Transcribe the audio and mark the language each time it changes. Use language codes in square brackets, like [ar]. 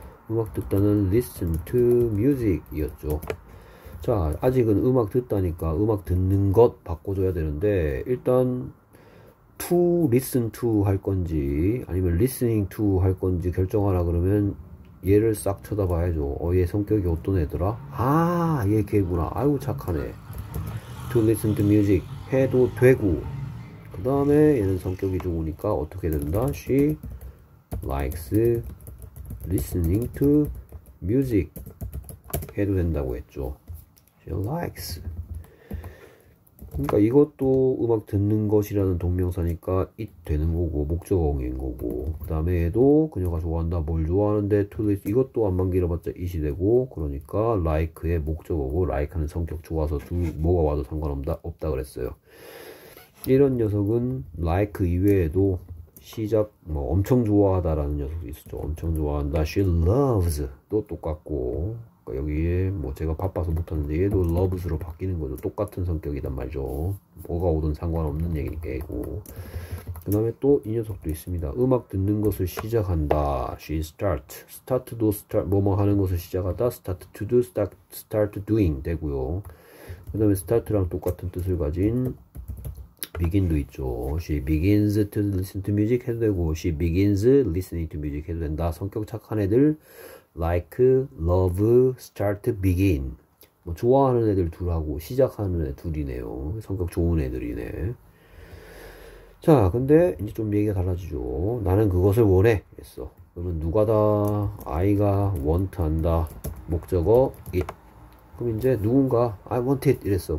[ko] 음악 듣다는 listen to music 이었죠. 자, 아직은 음악 듣다니까 음악 듣는 것 바꿔줘야 되는데 일단 to listen to 할 건지 아니면 listening to 할 건지 결정하라 그러면 얘를 싹 쳐다봐야죠. 얘 성격이 어떤 애더라? 아, 얘 개구나. 아이고 착하네. [en] To listen to music [ko] 해도 되고 그 다음에 얘는 성격이 좋으니까 어떻게 된다? [en] She likes listening to music [ko] 해도 된다고 했죠. [en] She likes. [ko] 그러니까 이것도 음악 듣는 것이라는 동명사니까 it 되는 거고 목적어인 거고 그 다음에 얘도 그녀가 좋아한다 뭘 좋아하는데 to this 이것도 안만 길어봤자 it이 되고 그러니까 like의 목적어고 like는 성격 좋아서 두 뭐가 와도 상관없다 없다 그랬어요. 이런 녀석은 like 이외에도 시작 뭐 엄청 좋아하다 라는 녀석도 있었죠. 엄청 좋아한다 she loves 또 똑같고 여기에 뭐 제가 바빠서 못하는데 얘도 loves로 바뀌는 거죠. 똑같은 성격이단 말이죠. 뭐가 오든 상관없는 얘기고 그 다음에 또 이 녀석도 있습니다. 음악 듣는 것을 시작한다 she start start do start 뭐뭐 하는 것을 시작하다 [en] start to do start doing [ko] 되고요. 그 다음에 start랑 똑같은 뜻을 가진 begin도 있죠. [en] She begins to listen to music [ko] 해도 되고 [en] she begins listening to music [ko] 해도 된다. 성격 착한 애들 like, love, start, begin 뭐 좋아하는 애들 둘하고 시작하는 애 둘이네요. 성격 좋은 애들이네. 자 근데 이제 좀 얘기가 달라지죠. 나는 그것을 원해 했어. 그러면 누가 다 아이가 want 한다 목적어 it 그럼 이제 누군가 [en] I want it [ko] 이랬어.